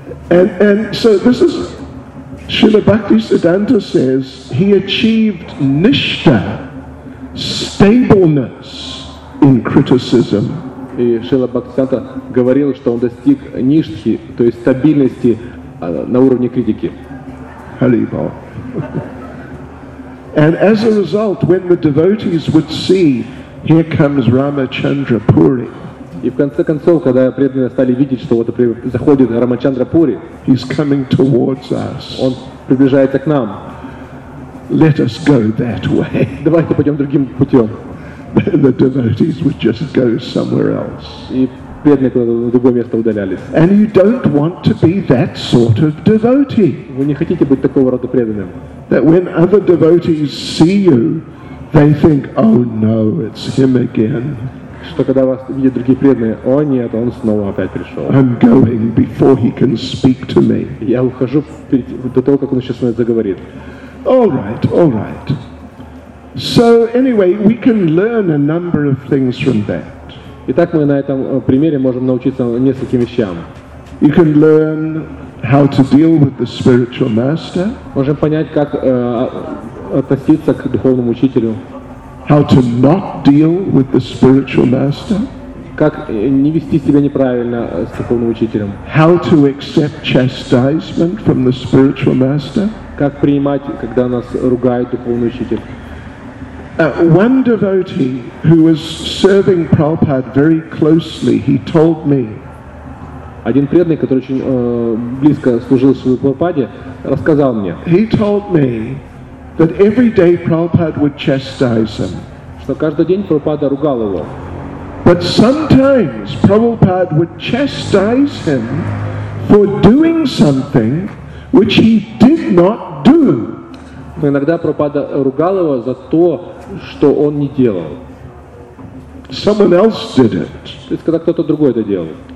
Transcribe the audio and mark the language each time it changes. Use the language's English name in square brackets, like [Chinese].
[English] And so this is Srila Bhaktisiddhanta says he achieved nishtha, stableness in criticism. [Russian] И Шрила Бхактисиддханта говорил, что он достиг ништхи, то есть стабильности на уровне критики. Халибал. [English] And as a result, when the devotees would see, here comes Ramachandra Puri. [Russian] И в конце концов, когда преданные стали видеть, что вот заходит Рамачандра Пури, [English] he's coming towards us. [Russian] Он приближается к нам. [English] Let us go that way. [Russian] Давайте пойдем другим путем. [English] The devotees would just go somewhere else. [Russian] И преданные куда-то на другое место удалялись. [English] And you don't want to be that sort of devotee. [Russian] Вы не хотите быть такого рода преданным. [English] That when other devotees see you, they think, oh no, it's him again. [Russian] Что когда вас видят другие преданные, о нет, он снова опять пришел. [English] I'm going before he can speak to me. [Russian] Я ухожу до того, как он сейчас снова заговорит. [English] All right, all right. So anyway, we can learn a number of things from that. [Russian] Итак, мы на этом примере можем научиться нескольким вещам. [English] You can learn how to deal with the spiritual master. [Russian] Можем понять, как относиться к духовному учителю. [English] How to not deal with the spiritual master. [Russian] Как не вести себя неправильно с духовным учителем. [English] How to accept chastisement from the spiritual master. [Russian] Как принимать, когда нас ругает духовный учитель. [English] One devotee who was serving Prabhupada very closely, he told me. [Russian] Один преданный, который очень близко служил Шриле Прабхупаде, рассказал мне. [English] He told me that every day Prabhupada would chastise him. [Russian] Что каждый день Прабхупада ругал его. [English] But sometimes Prabhupada would chastise him for doing something which he did not do. [Russian] Но иногда Прабхупада ругал его за то, что он не делал. [English] Someone else did it. [Russian] То есть, когда кто-то другой это делал.